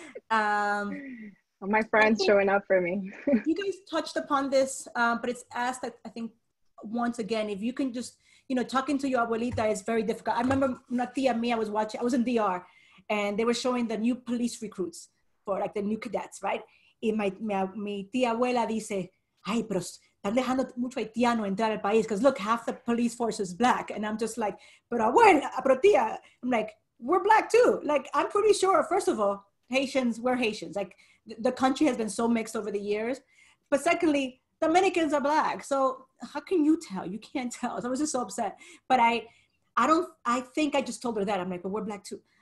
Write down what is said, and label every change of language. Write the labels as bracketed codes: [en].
[en] My friend's showing up for me. You guys touched upon this, but it's asked, I think, once again, if you can just, you know, talking to your abuelita is very difficult. I remember [es] una tía mía, [en] I was watching, I was in DR, and they were showing the new police recruits for like the new cadets, right? [es] Y mi tía abuela dice, ay, pero están dejando mucho haitiano entrar al país, [en] because look, half the police force is black. And I'm just like, [es] pero abuela, pero tía, [en] I'm like, we're black too. Like, I'm pretty sure, first of all, Haitians, we're Haitians. Like, the country has been so mixed over the years. But secondly, Dominicans are black. So how can you tell? You can't tell. So I was just so upset. But I think I just told her that. I'm like, but we're black too.